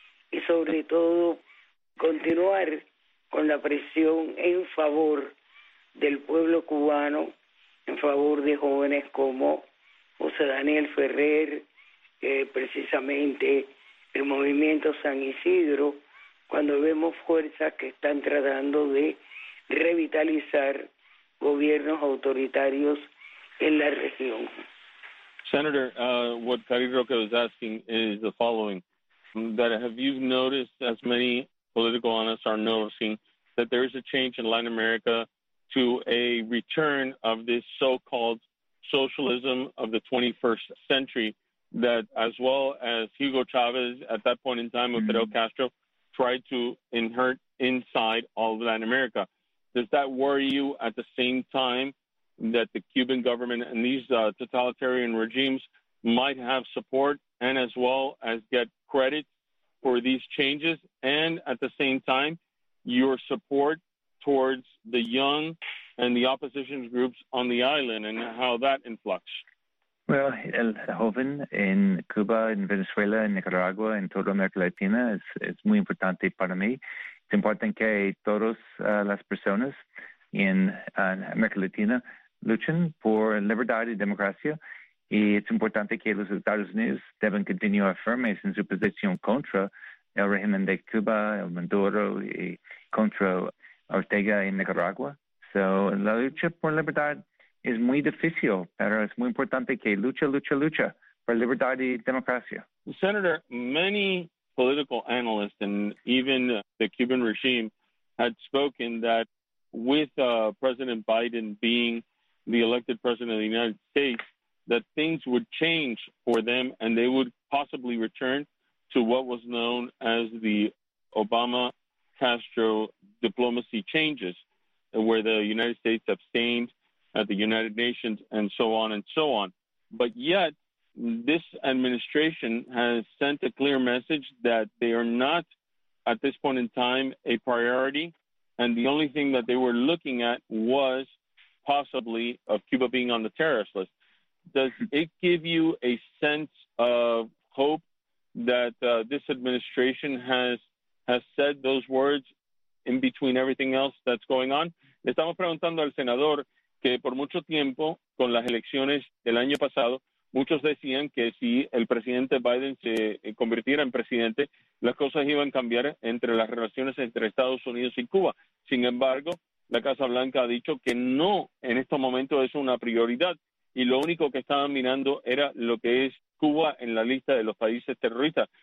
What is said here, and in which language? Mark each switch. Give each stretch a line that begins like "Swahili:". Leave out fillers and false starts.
Spanish: y sobre todo continuar con la presión en favor del pueblo cubano, en favor de jóvenes como José Daniel Ferrer, precisamente el movimiento San Isidro, cuando vemos fuerzas que están tratando de revitalizar gobiernos autoritarios en la región.
English: Senator, what Karim Roque was asking is the following, that have you noticed, as many political analysts are noticing, that there is a change in Latin America to a return of this so-called socialism of the 21st century, that as well as Hugo Chavez at that point in time with Fidel Castro tried to insert inside all of Latin America. Does that worry you at the same time that the Cuban government and these totalitarian regimes might have support and as well as get credit for these changes? And at the same time, your support towards the young and the opposition groups on the island and how that influx?
Spanish: Well, el joven en Cuba, en Venezuela, en Nicaragua, en toda América Latina es muy importante para mí. Es importante que todas las personas en América Latina luchen por libertad y democracia. Y es importante que los Estados Unidos deben continuar firmes en su posición contra el régimen de Cuba, el Maduro, y contra Ortega en Nicaragua. So, la lucha por libertad es muy difícil, pero es muy importante que lucha por libertad y democracia.
English: Senator, many political analysts and even the Cuban regime had spoken that with President Biden being the elected president of the United States, that things would change for them and they would possibly return to what was known as the Obama-Castro diplomacy changes, where the United States abstained at the United Nations, and so on and so on. But yet, this administration has sent a clear message that they are not, at this point in time, a priority. And the only thing that they were looking at was possibly of Cuba being on the terrorist list. Does it give you a sense of hope that this administration has said those words in between everything else that's going on?
Spanish: Estamos preguntando al senador que por mucho tiempo, con las elecciones del año pasado, muchos decían que si el presidente Biden se convirtiera en presidente, las cosas iban a cambiar entre las relaciones entre Estados Unidos y Cuba. Sin embargo, la Casa Blanca ha dicho que no, en estos momentos es una prioridad, y lo único que estaban mirando era lo que es Cuba en la lista de los países terroristas.